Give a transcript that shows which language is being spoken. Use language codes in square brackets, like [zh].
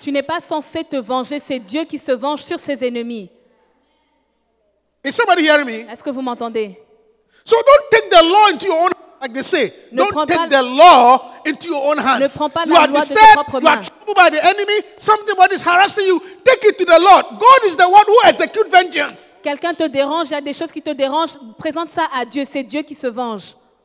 [fr] Tu n'es pas censé te venger, c'est Dieu qui se venge sur ses ennemis. [en] Is somebody hearing me? [fr] Est-ce que vous m'entendez? [en] So don't take the law into your own hands. Like they say, don't take the law into your own hands. [fr] Ne prends pas la [en] you are disturbed, you are troubled by the enemy, something is harassing you, take it to the Lord. God is the one who executes vengeance. [fr] Quelqu'un te dérange, il y a des choses qui te dérangent, présente ça à Dieu, c'est Dieu qui se venge.